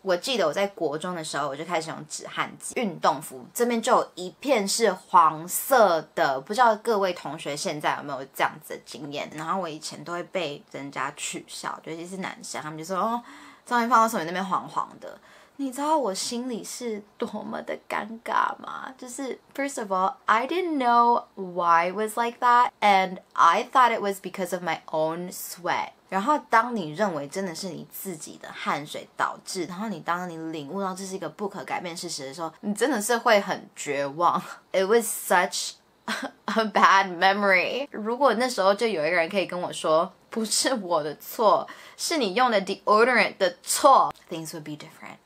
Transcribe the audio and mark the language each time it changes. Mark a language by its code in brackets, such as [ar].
[zh] 我记得我在国中的时候我就开始用止汗剂，运动服这边就有一片是黄色的，不知道各位同学现在有没有这样子的经验。然后我以前都会被人家取笑，尤其是男生，他们就说张云芳为什么那边黄黄的，你知道我心里是多么的尴尬吗？ [en] 就是 first of all， I didn't know why it was like that， and I thought it was because of my own sweat。 [zh] 然后当你认为真的是你自己的汗水导致，然后你当你领悟到这是一个不可改变事实的时候，你真的是会很绝望。 [en] It was such a bad memory。 [zh] 如果那时候就有一个人可以跟我说不是我的错，是你用的 deodorant 的错， [en] Things would be different。